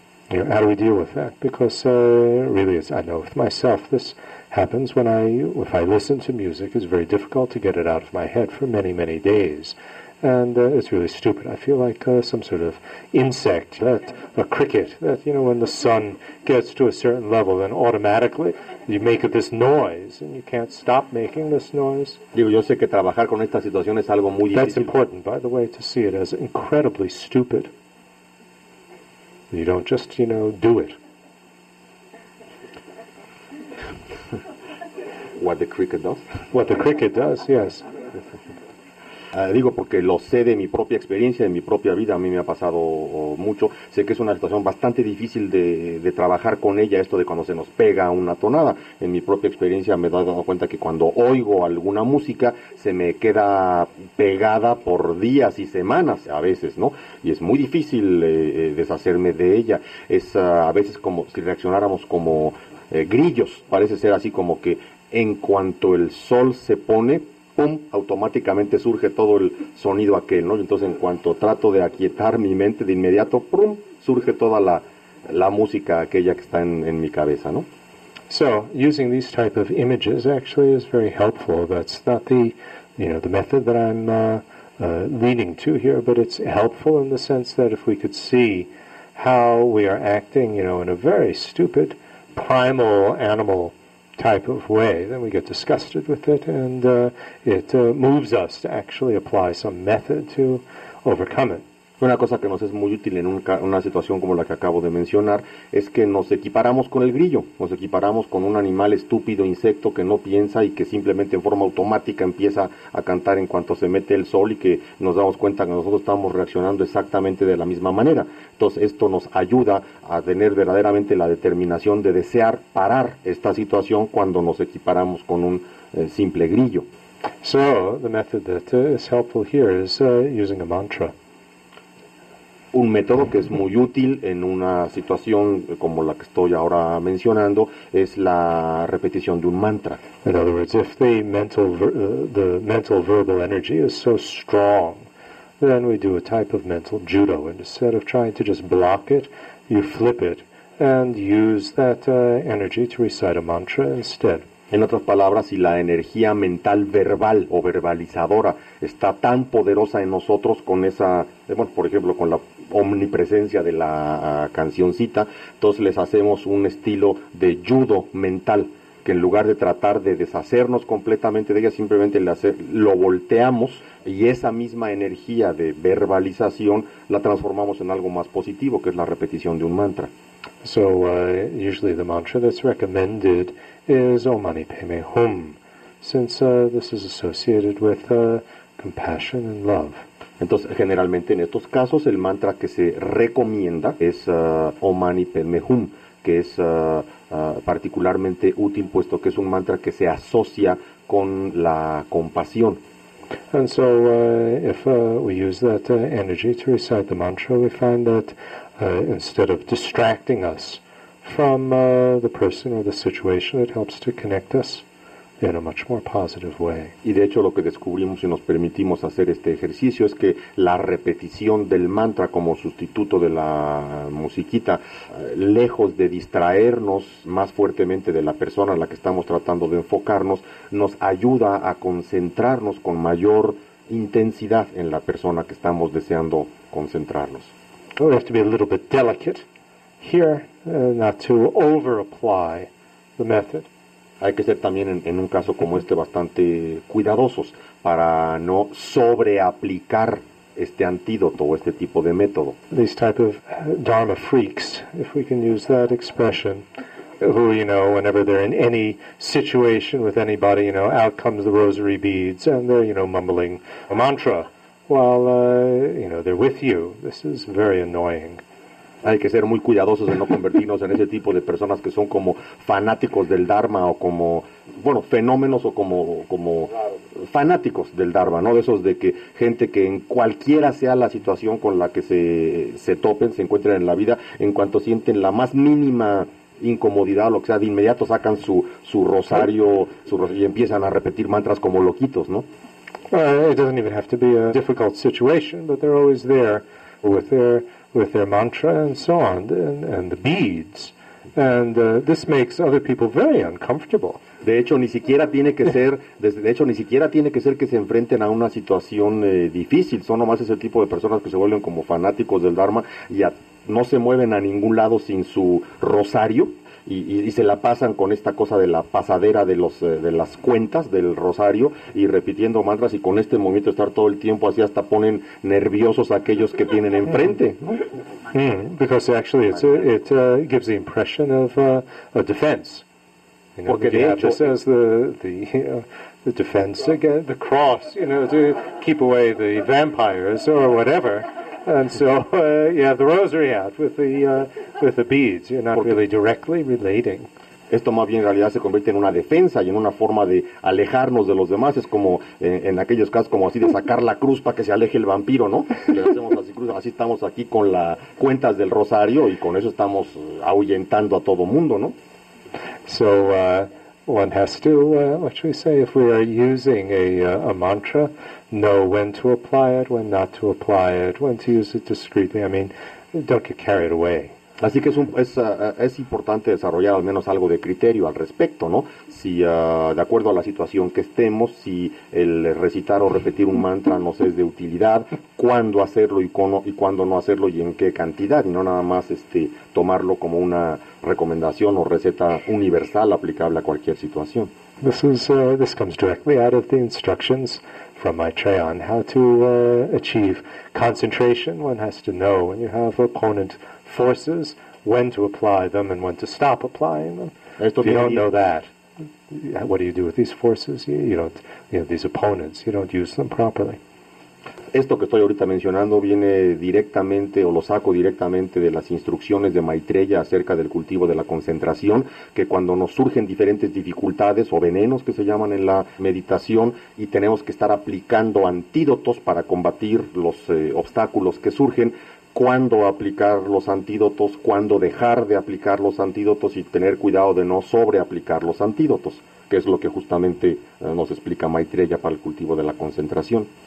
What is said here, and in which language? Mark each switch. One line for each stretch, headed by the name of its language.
English: You know, how do we deal with that? Because really, as I know with myself, this happens when if I listen to music, it's very difficult to get it out of my head for many, many days. And it's really stupid. I feel like some sort of insect, a cricket, that, you know, when the sun gets to a certain level, then automatically you make this noise, and you can't stop making this noise.
Spanish: Digo, yo sé que trabajar con esta situación es algo muy difícil.
English: That's important, by the way, to see it as incredibly stupid. You don't just, you know, do it. What the cricket does? What the cricket does, yes.
Spanish: Digo porque lo sé de mi propia experiencia, de mi propia vida, a mí me ha pasado mucho. Sé que es una situación bastante difícil de trabajar con ella, esto de cuando se nos pega una tonada. En mi propia experiencia me he dado cuenta que cuando oigo alguna música se me queda pegada por días y semanas a veces, ¿no? Y es muy difícil deshacerme de ella. Es a veces como si reaccionáramos como grillos. Parece ser así como que en cuanto el sol se pone, ¡pum!, automáticamente surge todo el sonido aquel, ¿no? Entonces, en cuanto trato de aquietar mi mente de inmediato, ¡pum!, surge toda la música aquella que está en mi cabeza, ¿no?
English: So, using these type of images actually is very helpful. That's not the, you know, the method that I'm leaning to here, but it's helpful in the sense that if we could see how we are acting, you know, in a very stupid, primal animal type of way, then we get disgusted with it, and it moves us to actually apply some method to overcome it.
Spanish: Una cosa que nos es muy útil en una situación como la que acabo de mencionar es que nos equiparamos con el grillo, nos equiparamos con un animal estúpido, insecto, que no piensa y que simplemente en forma automática empieza a cantar en cuanto se mete el sol, y que nos damos cuenta que nosotros estamos reaccionando exactamente de la misma manera. Entonces esto nos ayuda a tener verdaderamente la determinación de desear parar esta situación cuando nos equiparamos con un simple grillo.
English: So, the method that is helpful here is using a mantra.
Spanish: Un método que es muy útil en una situación como la que estoy ahora mencionando es la repetición de un mantra.
English: In other words, if the mental verbal energy is so strong, then we do a type of mental judo. Instead of trying to just block it, you flip it and use that energy to recite a mantra instead.
Spanish: En otras palabras, si la energía mental verbal o verbalizadora está tan poderosa en nosotros con esa, bueno, por ejemplo, con la omnipresencia de la cancioncita, entonces les hacemos un estilo de judo mental, que en lugar de tratar de deshacernos completamente de ella, simplemente lo volteamos, y esa misma energía de verbalización la transformamos en algo más positivo, que es la repetición de un mantra.
English: So, usually the mantra that's recommended is Om Mani Padme Hum. since this is associated with compassion and love.
Spanish: Entonces, generalmente en estos casos, el mantra que se recomienda es Om Mani Padme Hum, que es particularmente útil puesto que es un mantra que se asocia con la compasión.
English: And so, if we use that energy to recite the mantra, we find that instead of distracting us from the person or the situation, it helps to connect us in a much more positive way.
Spanish: Y de hecho, lo que descubrimos y nos permitimos hacer este ejercicio es que la repetición del mantra como sustituto de la musiquita, lejos de distraernos más fuertemente de la persona a la que estamos tratando de enfocarnos, nos ayuda a concentrarnos con mayor intensidad en la persona que estamos deseando concentrarnos.
English: We have to be a little bit delicate here, not to over-apply the method.
Spanish: Hay que ser también en un caso como este bastante cuidadosos para no sobreaplicar este antídoto o este tipo de método.
English: These type of dharma freaks, if we can use that expression, who, you know, whenever they're in any situation with anybody, you know, out comes the rosary beads and they're, you know, mumbling a mantra while, you know, they're with you. This is very annoying.
Spanish: Hay que ser muy cuidadosos de no convertirnos en ese tipo de personas que son como fanáticos del Dharma o como, bueno, fenómenos o como fanáticos del Dharma, ¿no? De esos de que gente que en cualquiera sea la situación con la que se topen, se encuentren en la vida, en cuanto sienten la más mínima incomodidad, lo que sea, de inmediato sacan su rosario y empiezan a repetir mantras como loquitos, ¿no?
English: It doesn't even have to be a difficult situation, but they're always there with their mantra and so on, and the beads, and this makes other people very uncomfortable.
Spanish: De hecho, ni siquiera tiene que ser que se enfrenten a una situación difícil. Son nomás ese tipo de personas que se vuelven como fanáticos del Dharma y no se mueven a ningún lado sin su rosario y se la pasan con esta cosa de la pasadera de las cuentas del rosario y repitiendo mantras y con este movimiento estar todo el tiempo así hasta ponen nerviosos a aquellos que tienen enfrente.
English: Because actually it gives the impression of a defense. You know,
Spanish: porque de hecho
English: this as the defense against the cross, you know, to keep away the vampires or whatever. And so you have the rosary out with the beads. You're not really directly relating.
Spanish: Esto más bien en realidad se convierte en una defensa y en una forma de alejarnos de los demás. Es como en aquellos casos como así de sacar la cruz para que se aleje el vampiro, ¿no? Le hacemos así cruz. Así estamos aquí con las cuentas del rosario y con eso estamos ahuyentando a todo mundo, ¿no?
English: So one has to, what should we say, if we are using a mantra, know when to apply it, when not to apply it, when to use it discreetly. I mean, don't get carried away.
Spanish: Así que es importante desarrollar al menos algo de criterio al respecto, ¿no? Si, de acuerdo a la situación que estemos, si el recitar o repetir un mantra nos es de utilidad, cuándo hacerlo y cuándo no hacerlo y en qué cantidad, y no nada más tomarlo como una recomendación o receta universal aplicable a cualquier situación.
English: This comes directly out of the instructions from my tray on how to achieve concentration. One has to know when you have opponent forces, when to apply them and when to stop applying them.
Spanish: Esto
English: if you don't know that, what do you do with these forces? You don't, you know, these opponents, you don't use them properly.
Spanish: Esto que estoy ahorita mencionando viene directamente o lo saco directamente de las instrucciones de Maitreya acerca del cultivo de la concentración, que cuando nos surgen diferentes dificultades o venenos que se llaman en la meditación y tenemos que estar aplicando antídotos para combatir los obstáculos que surgen, cuándo aplicar los antídotos, cuándo dejar de aplicar los antídotos y tener cuidado de no sobreaplicar los antídotos, que es lo que justamente nos explica Maitreya para el cultivo de la concentración.